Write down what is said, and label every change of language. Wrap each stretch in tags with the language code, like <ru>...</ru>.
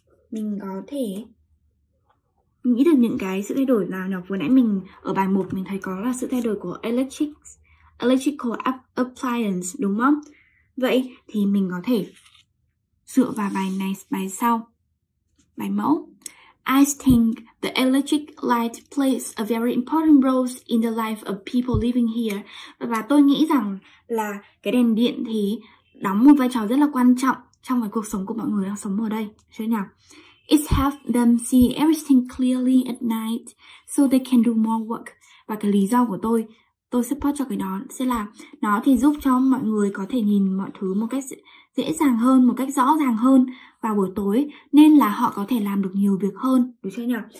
<vi>Mình có thể nghĩ được những cái sự thay đổi nào nhỉ? Vừa nãy mình ở bài 1 mình thấy có là sự thay đổi của electrical appliance, đúng không? Vậy thì mình có thể dựa vào bài này, bài sau, bài mẫu.</vi> <en>I think the electric light plays a very important role in the life of people living here.</en> <vi>Và tôi nghĩ rằng là cái đèn điện thì đóng một vai trò rất là quan trọng trong cái cuộc sống của mọi người đang sống ở đây, chứ nhỉ?</vi> <en>It helps them see everything clearly at night so they can do more work.</en> <vi>Và cái lý do của tôi support cho cái đó sẽ là nó thì giúp cho mọi người có thể nhìn mọi thứ một cách dễ dàng hơn, một cách rõ ràng hơn vào buổi tối, nên là họ có thể làm được nhiều việc hơn, đúng chưa nhỉ?</vi>